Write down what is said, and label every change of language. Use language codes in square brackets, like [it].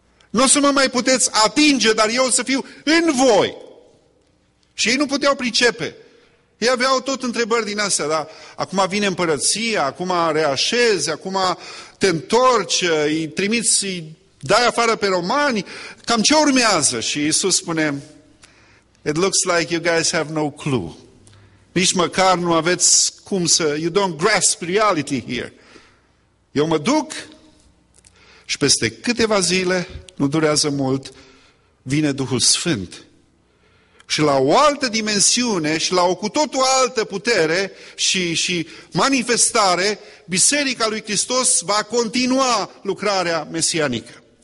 [ro] Nu o să mă mai puteți atinge, dar eu o să fiu în voi. Și ei nu puteau pricepe. Ei aveau tot întrebări din astea, dar acum vine împărăția, acum reașezi, acum te întorci, îi trimiți, îi dai afară pe romani, cam ce urmează? Și Iisus spune, [en] it looks like you guys have no clue. [ro] Nici măcar nu aveți cum să, [en] you don't grasp reality here. [ro] Eu mă duc și peste câteva zile, nu durează mult, vine Duhul Sfânt și la o altă dimensiune și la o cu totul altă putere și manifestare, Biserica lui Hristos va continua lucrarea mesianică.